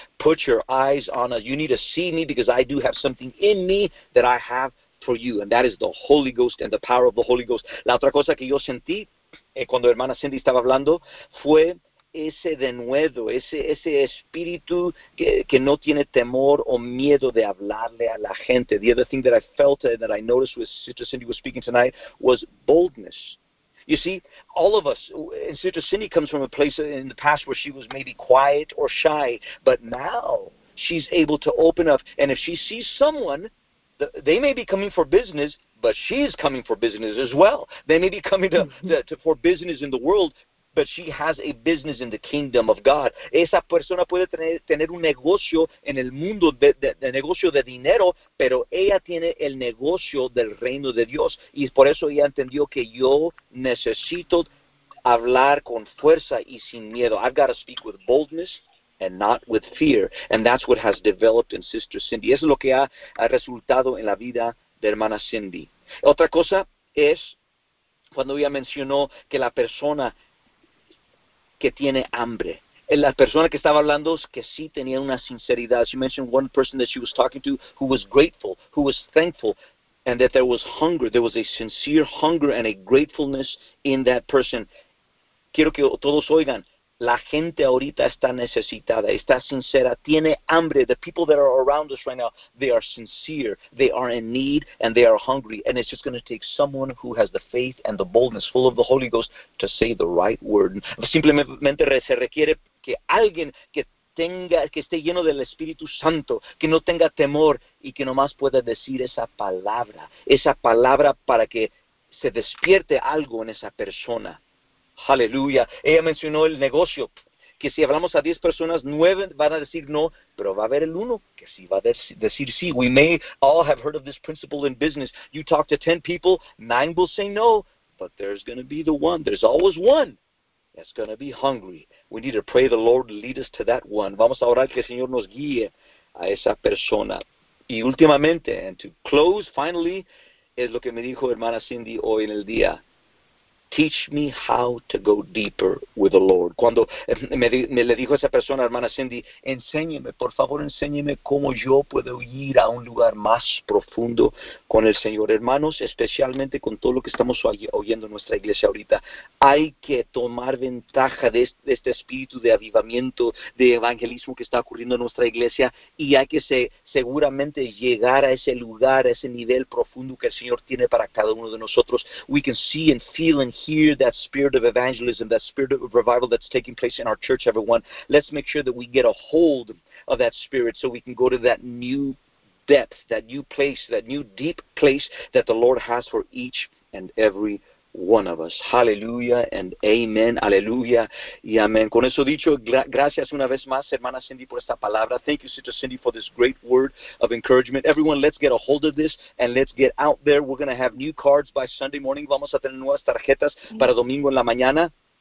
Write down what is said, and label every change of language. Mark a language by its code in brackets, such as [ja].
[en] Put your eyes on us. You need to see me, because I do have something in me that I have for you. And that is the Holy Ghost and the power of the Holy Ghost. [es] La otra cosa que yo sentí cuando hermana Cindy estaba hablando fue ese denuedo, ese espíritu que no tiene temor o miedo de hablarle a la gente. [en] The other thing that I felt and that I noticed when Sister Cindy was speaking tonight was boldness. You see, all of us, and Sister Cindy comes from a place in the past where she was maybe quiet or shy, but now she's able to open up. And if she sees someone, they may be coming for business, but she is coming for business as well. They may be coming for business in the world, but she has a business in the kingdom of God. [es] Esa persona puede tener un negocio en el mundo de negocio de dinero, pero ella tiene el negocio del reino de Dios. Y por eso ella entendió que yo necesito hablar con fuerza y sin miedo. [en] I've got to speak with boldness and not with fear. And that's what has developed in Sister Cindy. [es] Eso es lo que ha resultado en la vida de hermana Cindy. Otra cosa es cuando ella mencionó que la persona que tiene hambre, la persona que estaba hablando es que sí tenía una sinceridad. [en] She mentioned one person that she was talking to who was grateful, who was thankful, and that there was hunger. There was a sincere hunger and a gratefulness in that person. [es] Quiero que todos oigan. La gente ahorita está necesitada, está sincera, tiene hambre. [en] The people that are around us right now, they are sincere, they are in need, and they are hungry. And it's just going to take someone who has the faith and the boldness, full of the Holy Ghost, to say the right word. [es] Simplemente se requiere que alguien que tenga, que esté lleno del Espíritu Santo, que no tenga temor y que nomás pueda decir esa palabra para que se despierte algo en esa persona. Aleluya. Ella mencionó el negocio, que si hablamos a 10 personas, 9 van a decir no, pero va a haber el uno que sí va a decir sí. [en] We may all have heard of this principle in business. You talk to 10 people, 9 will say no, but there's going to be the one, there's always one that's going to be hungry. We need to pray the Lord lead us to that one. [es] Vamos a orar que el Señor nos guíe a esa persona. Y últimamente, [en] and to close, finally, [es] es lo que me dijo hermana Cindy hoy en el día. [en] Teach me how to go deeper with the Lord. [es] Cuando me le dijo esa persona, hermana Cindy, enséñeme, por favor, enséñeme cómo yo puedo ir a un lugar más profundo con el Señor. Hermanos, especialmente con todo lo que estamos oyendo en nuestra iglesia ahorita, hay que tomar ventaja de este espíritu de avivamiento, de evangelismo que está ocurriendo en nuestra iglesia, y hay que seguramente llegar a ese lugar, a ese nivel profundo que el Señor tiene para cada uno de nosotros. [en] We can see and feel and hear that spirit of evangelism, that spirit of revival that's taking place in our church, everyone. Let's make sure that we get a hold of that spirit so we can go to that new depth, that new place, that new deep place that the Lord has for each and every one of us. Hallelujah and amen. [es] Hallelujah y amen. Con eso dicho, gracias una vez más, hermana Cindy, por esta palabra. [en] Thank you, Sister Cindy, for this great word of encouragement. Everyone, let's get a hold of this and let's get out there. We're going to have new cards by Sunday morning. [es] Vamos a tener nuevas tarjetas para domingo en la mañana.